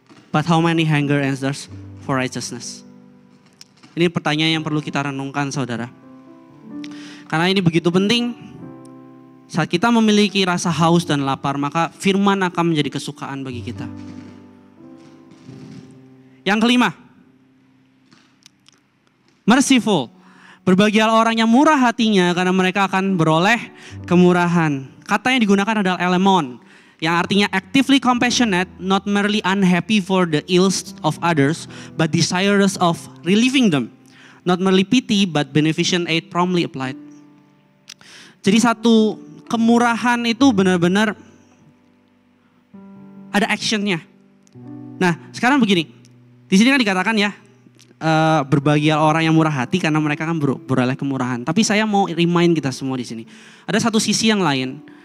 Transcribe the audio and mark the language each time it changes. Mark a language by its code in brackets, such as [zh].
[en] But how many hunger and thirst for righteousness? [id] Ini pertanyaan yang perlu kita renungkan, saudara. Karena ini begitu penting. Saat kita memiliki rasa haus dan lapar, maka firman akan menjadi kesukaan bagi kita. Yang kelima, merciful. Berbahagialah orang yang murah hatinya, karena mereka akan beroleh kemurahan. Kata yang digunakan adalah elemon, yang artinya [en] actively compassionate, not merely unhappy for the ills of others, but desirous of relieving them. Not merely pity, but beneficent aid promptly applied. [id] Jadi satu kemurahan itu benar-benar ada actionnya. Nah, sekarang begini. Di sini kan dikatakan ya, berbahagialah orang yang murah hati karena mereka kan beroleh kemurahan. Tapi saya mau remind kita semua di sini. Ada satu sisi yang lain.